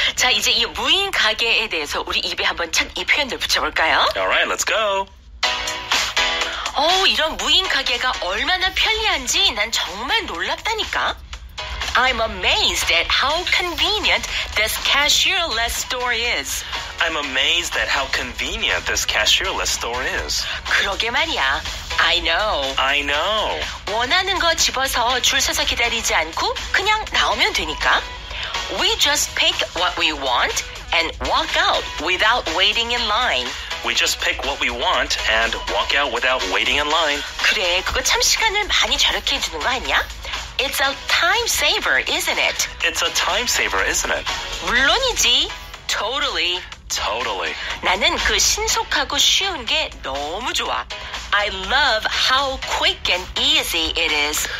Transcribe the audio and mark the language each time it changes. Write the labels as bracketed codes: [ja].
[ko] 자, 이제 이 무인 가게에 대해서 우리 입에 한번 착 이 표현들 붙여볼까요? [en] Alright, let's go. [ko] 오, 이런 무인 가게가 얼마나 편리한지 난 정말 놀랍다니까. [en] I'm amazed at how convenient this cashierless store is. I'm amazed at how convenient this cashierless store is. [ko] 그러게 말이야. [en] I know. I know. [ko] 원하는 거 집어서 줄 서서 기다리지 않고 그냥 나오면 되니까. [en] We just pick what we want and walk out without waiting in line. We just pick what we want and walk out without waiting in line. [ko] 그래, 그거 참 시간을 많이 절약해 주는 거 아니야? [en] It's a time saver, isn't it? It's a time saver, isn't it? [ko] 물론이지. [en] Totally. Totally. [ko] 나는 그 신속하고 쉬운 게 너무 좋아. [en] I love how quick and easy it is.